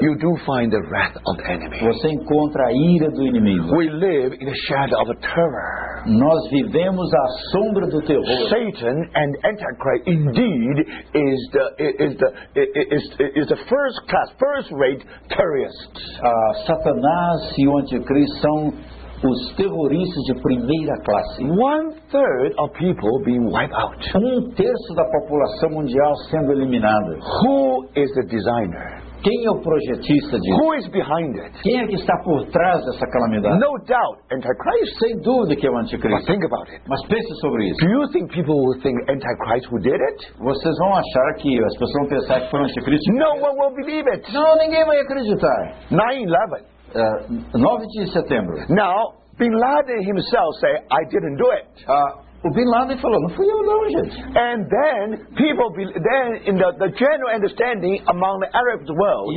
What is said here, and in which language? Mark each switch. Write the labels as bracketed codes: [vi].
[en] you do find the wrath of the enemy. [pt] Você encontra a ira do inimigo. [en] We live in the shadow of a terror. [pt] Nós vivemos à sombra do terror. [en] Satan and Antichrist indeed is the first class, first rate terrorists. [pt] Satanás e o Anticristo são os terroristas de primeira classe. [en] One third of people being wiped out. [pt] Um terço da população mundial sendo eliminada. [en] Who is the designer? [pt] Quem é o projetista disso? [en] Who is behind it? [pt] Quem é que está por trás dessa calamidade? [en] No doubt, Antichrist. [pt] Sem dúvida que é o Anticristo. [en] But think about it. [pt] Mas pense sobre isso. [en] Do you think people will think Antichrist who did it? [pt] Vocês vão achar que as pessoas vão pensar que foi o Anticristo? [en] No one will believe it. [pt] Não, ninguém vai acreditar. [en] 9/11. [pt] 9 de setembro. [en] Now, Bin Laden himself say, I didn't do it. [pt] O Bin Laden falou, não fui eu não, gente. [en] And then people then in the general understanding among the Arab world.